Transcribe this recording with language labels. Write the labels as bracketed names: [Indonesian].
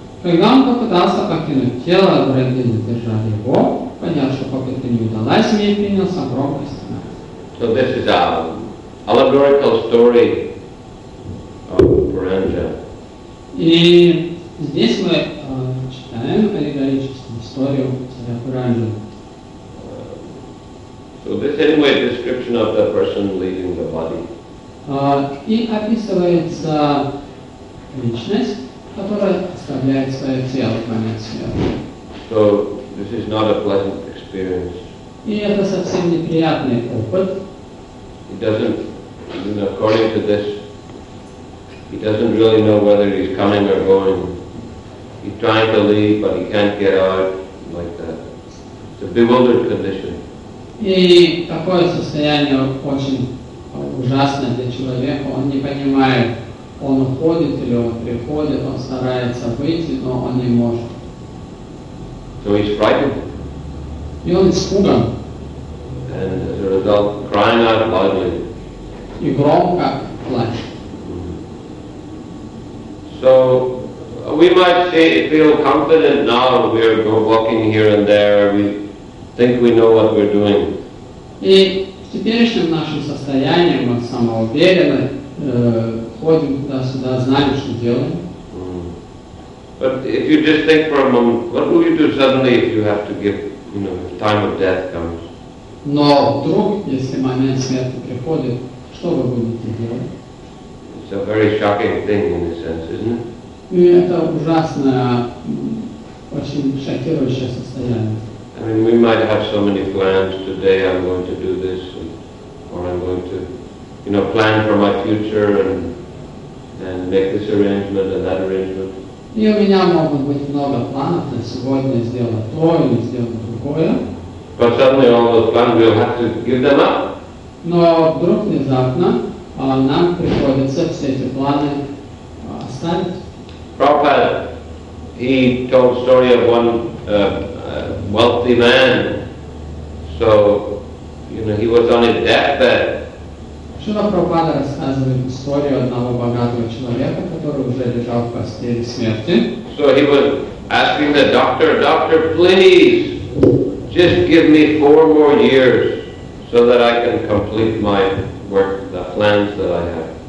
[Russian] Когда он попытался покинуть тело, враги задержали его, поняв, что попытка не удалась, и не принялся громко стенать. [English] So this is an allegorical story of Puranja. [Russian] И здесь мы читаем аллегорическую историю царя Пуранджа. [English] So this anyway description of the person leaving the body. [Russian] И описывается личность, которая оставляет свое тело в момент смерти. [English] So this is not a pleasant experience. [Russian] И это совсем неприятный опыт. [English] He doesn't, even according to this, he doesn't really know whether he's coming or going. He's trying to leave, but he can't get out like that. It's a bewildered condition. [Russian] И такое состояние очень ужасное для человека. Он не понимает, он уходит или он приходит, он старается выйти, но он не может. [English] So he's frightened. [Russian] И он испуган. [English] And as a result, crying out loudly. [Russian] И громко плачет. [English] So we might say, feel confident now. We're walking here and there. We think we know what we're doing. [Russian] И в теперешнем нашем состоянии мы самоуверенно ходим туда-сюда, знаем, что делаем. [English] But if you just think for a moment, what will you do suddenly if you have to give, you know, if time of death comes? [Russian] Но вдруг, если момент смерти приходит, что вы будете делать? [English] It's a very shocking thing in a sense, isn't it? [Russian] И это ужасное, очень шокирующее состояние. [English] I mean, we might have so many plans. Today I'm going to do this, or I'm going to, you know, plan for my future and make this arrangement and that arrangement. [Russian] И у меня могут быть много планов на сегодня сделать то или сделать другое. [English] But suddenly all those plans we'll have to give them up. [Russian] Но вдруг внезапно нам приходится все эти планы оставить. [English] Prabhupada, he told the story of one. Wealthy man, so you know he was on his deathbed. [Russian] Шрила Прабхупада рассказывает историю одного богатого человека, который уже лежал в постели смерти. [English] So he was asking the doctor, "Doctor, please, just give me 4 more years, so that I can complete my work, the plans that I have."